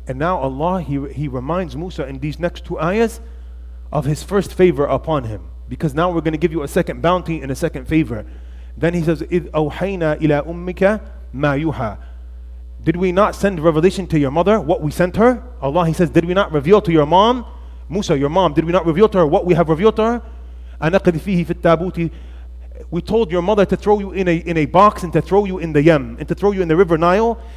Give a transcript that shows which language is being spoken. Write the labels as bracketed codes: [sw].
[en] And now Allah, he reminds Musa in these next two ayahs of his first favor upon him. Because now we're going to give you a second bounty and a second favor. Then he says, [ar] إِذْ أَوْحَيْنَا إِلَىٰ أُمِّكَ مَا يُوحَى. [en] Did we not send revelation to your mother, what we sent her? Allah, he says, did we not reveal to your mom, Musa, your mom, did we not reveal to her what we have revealed to her? [ar] أَنَقْذِفِيهِ فِي التَّابُوتِ. [en] We told your mother to throw you in a box and to throw you in the Yam and to throw you in the River Nile.